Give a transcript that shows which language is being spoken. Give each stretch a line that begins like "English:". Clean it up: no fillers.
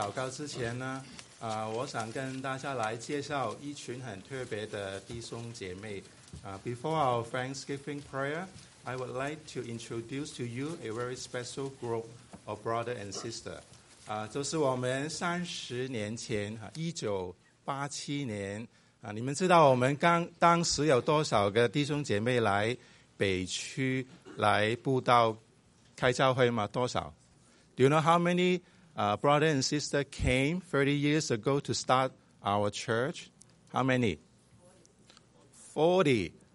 Chinese: 之前呢，我想跟大家来介绍一群很特别的弟兄姐妹。
English: Before our Thanksgiving prayer, I would like to introduce to you a very special group of brother and sister.
Chinese: 就是我们30年前，1987年，你们知道我们当时有多少个弟兄姐妹来北区来布道开教会吗？多少
English: ？Do you know how many？ Brother and sister came 30 years ago to start our church. How many? 40.